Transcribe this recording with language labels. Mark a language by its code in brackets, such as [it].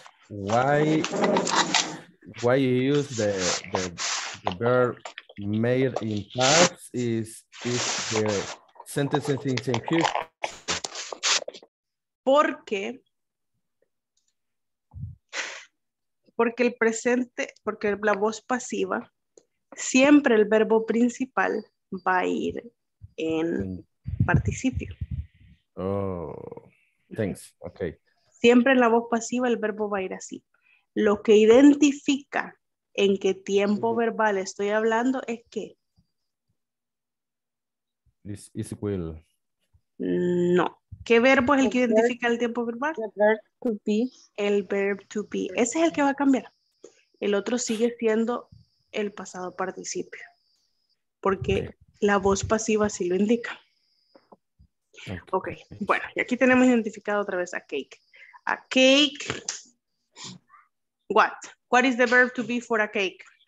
[en] Why you use the verb made in past is the sentence in future? [es] Porque el presente, porque la voz pasiva, siempre el verbo principal va a ir en participio. [en] Oh, thanks. Okay. [es] Siempre en la voz pasiva el verbo va a ir así. Lo que identifica en qué tiempo verbal estoy hablando es que. [en] Is will. No. [es] ¿Qué verbo es el que identifica el tiempo verbal? [en] The verb to be. [es] El verb to be. Ese es el que va a cambiar. El otro sigue siendo el pasado participio. Porque la voz pasiva sí lo indica. Okay. Bueno, y aquí tenemos identificado otra vez a cake. [en] A cake. What? What is the verb to be for a cake?